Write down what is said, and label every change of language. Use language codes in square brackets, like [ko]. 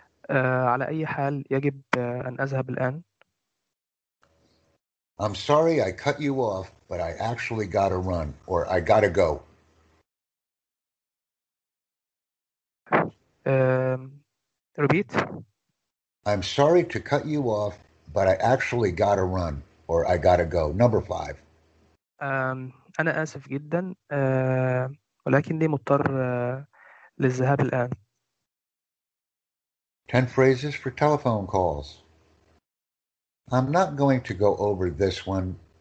[ar] على أي حال يجب أن أذهب الآن. [en] I'm sorry I cut you off, but I actually gotta run, or I gotta go. Repeat. I'm sorry to cut you off, but I actually gotta run, or I gotta go. Number five. [ar] أنا آسف جداً، ولكني مضطر للذهاب الآن. [en] 10 phrases for telephone calls. I'm not going to go over this one.